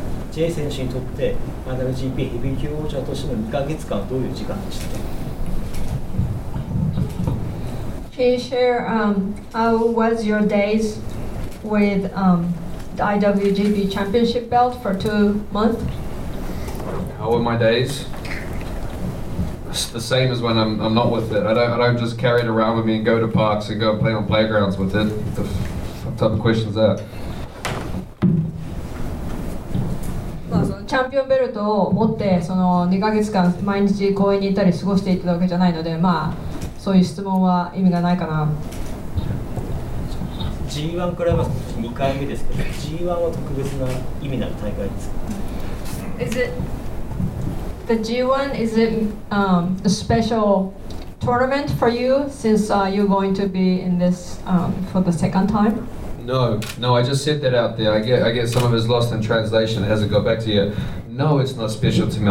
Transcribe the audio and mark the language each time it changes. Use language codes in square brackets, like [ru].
[ja] J 選手にとって IWGP ヘビー級王者としての2ヶ月間はどういう時間でしたか [en] Can you share how was your days with the IWGP championship belt for 2 months? How were my days? It's the same as when I'm not with it. I don't just carry it around with me and go to parks and go and play on playgrounds with it. What type of question is that? [ja] チャンピオンベルトを持ってその2ヶ月間毎日公園に行ったり過ごしていたわけじゃないので、まあそういう質問は意味がないかな。 G1 クライマックス2回目ですけど、G1 は特別な意味のある大会ですか。 [en] Is it? The G1, is it a special tournament for you since you're going to be in this for the second time? No, I just said that out there. I get some of it's lost in translation. It hasn't got back to you. No, it's not special to me.